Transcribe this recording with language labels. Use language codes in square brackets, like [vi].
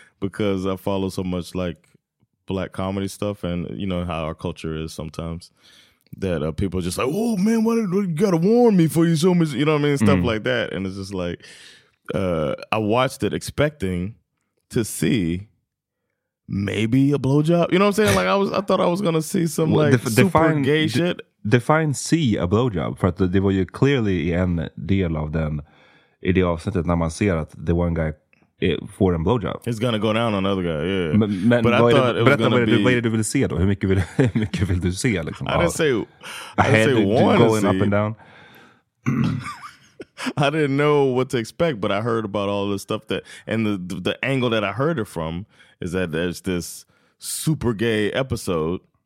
[en] Because I follow so much like black comedy stuff, and you know how our culture is sometimes, that people are just like, oh man, why did, you gotta warn me before you show me, you know what I mean? Mm. Stuff like that. And it's just like, I watched it expecting to see maybe a blowjob. You know what I'm saying? Like I thought I was gonna see some gay shit. Define see a blowjob, [sv] för att det var ju clearly en del av den i det avsnittet när man ser att [en] the one guy [sv] får en blowjob. [en] It's gonna go down on another guy, yeah. Men but I thought berätta, it was gonna be... [sv] vad är det du vill se då? Hur mycket vill du se? Liksom? [en] I didn't say... I didn't say up and down. I didn't know what to expect, but I heard about all this stuff that... And the angle that I heard it from is that there's this super gay episode.